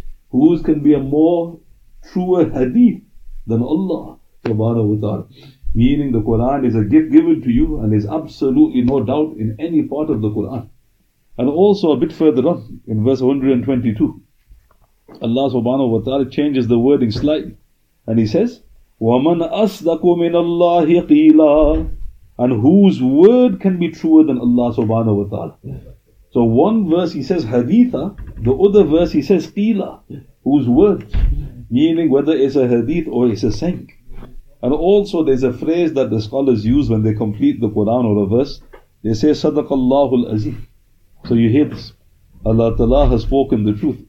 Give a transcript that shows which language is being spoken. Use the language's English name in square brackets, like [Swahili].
[English] Whose can be a more truer hadith than Allah subhanahu wa ta'ala? Meaning the Quran is a gift given to you and is absolutely no doubt in any part of the Quran. And also a bit further on, in verse 122, Allah subhanahu wa ta'ala changes the wording slightly. And he says, [Arabic] وَمَنْ أَصْدَقُ مِنَ اللَّهِ قِيلًا. [English] And whose word can be truer than Allah subhanahu wa ta'ala? So one verse he says haditha, the other verse he says qila, whose words, meaning whether it's a hadith or it's a saying. And also there's a phrase that the scholars use when they complete the Quran or a verse. They say sadaqallahu al-azim. So you hear this. Allah Ta'ala has spoken the truth.